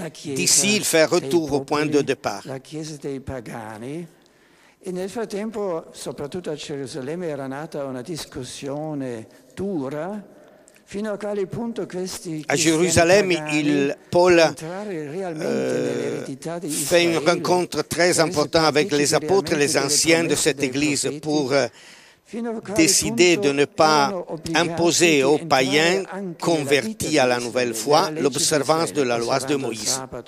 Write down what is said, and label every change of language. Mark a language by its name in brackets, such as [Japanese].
[French] D'ici, ils firent retour au point de départ. [Italian] E nel frattempo, soprattutto a Gerusalemme, era nata una discussione dura, fino a quale punto questi a Gerusalemme [French] Paul fait un rencontre très important avec les apôtres, les anciens de cette église, pour décider de ne pas imposer aux païens convertis à la nouvelle foi l'observance de la loi de Moïse.